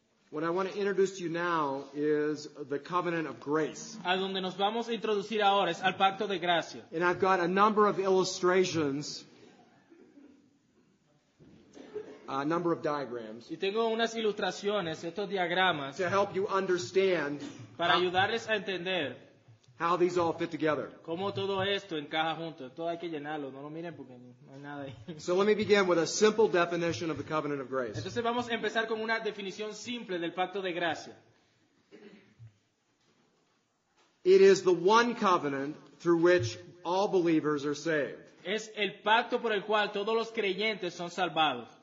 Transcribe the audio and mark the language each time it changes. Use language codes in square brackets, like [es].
[en] What I want to introduce to you now is the covenant of grace. [es] A donde nos vamos a introducir ahora es al pacto de gracia. [en] And I've got a number of illustrations, a number of diagrams. [es] Y tengo unas ilustraciones, estos diagramas, [en] to help you understand [es] para ayudarles a entender [en] how these all fit together. [es] Cómo todo esto encaja junto. Todo hay que llenarlo. No lo miren porque no hay nada ahí. [en] So let me begin with a simple definition of the covenant of grace. [es] Entonces vamos a empezar con una definición simple del pacto de gracia. [en] It is the one covenant through which all believers are saved. [es] Es el pacto por el cual todos los creyentes son salvados.